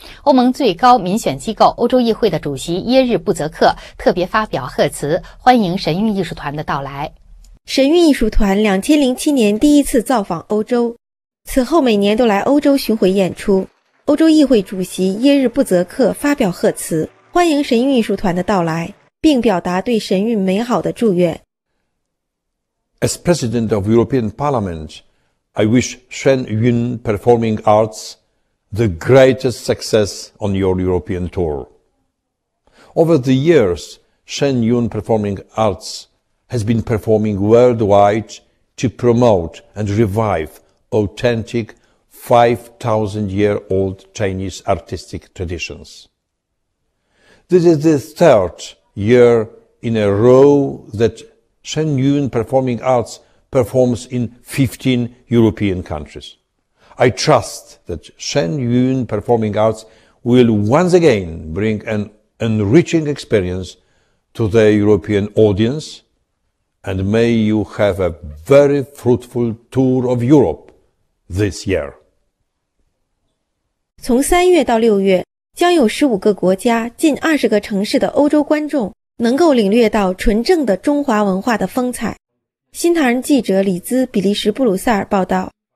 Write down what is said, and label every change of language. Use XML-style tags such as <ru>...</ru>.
<zh>欧盟最高民选机构欧洲议会的主席耶日布泽克特别发表贺词，欢迎神韵艺术团的到来。神韵艺术团2007年第一次造访欧洲，此后每年都来欧洲巡回演出。欧洲议会主席耶日布泽克发表贺词，欢迎神韵艺术团的到来，并表达对神韵美好的祝愿。</zh> <en>As President of European Parliament, I wish Shen Yun Performing Arts the greatest success on your European tour. Over the years, Shen Yun Performing Arts has been performing worldwide to promote and revive authentic 5,000-year-old Chinese artistic traditions. This is the third year in a row that Shen Yun Performing Arts performs in 15 European countries. I trust that Shen Yun Performing Arts will once again bring an enriching experience to the European audience, and may you have a very fruitful tour of Europe this year.</en> <zh>从三月到六月，将有15个国家、近20个城市的欧洲观众能够领略到纯正的中华文化的风采。新唐人记者李兹，比利时布鲁塞尔报道。</zh>